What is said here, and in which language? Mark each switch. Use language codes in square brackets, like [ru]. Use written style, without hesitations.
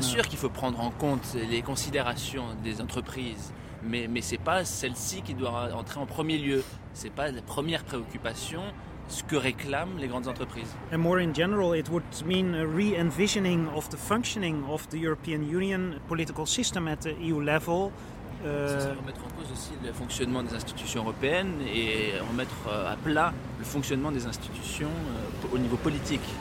[fr] Bien sûr qu'il faut prendre en compte les considérations des entreprises, mais c'est pas celle-ci qui doit entrer en premier lieu. C'est pas la première préoccupation ce que réclament les grandes entreprises. [en] And more in general, it would mean a re-envisioning of the functioning of the European Union political system at the EU level. [fr] Ça remettre en cause aussi le fonctionnement des institutions européennes et remettre à plat le fonctionnement des institutions au niveau politique.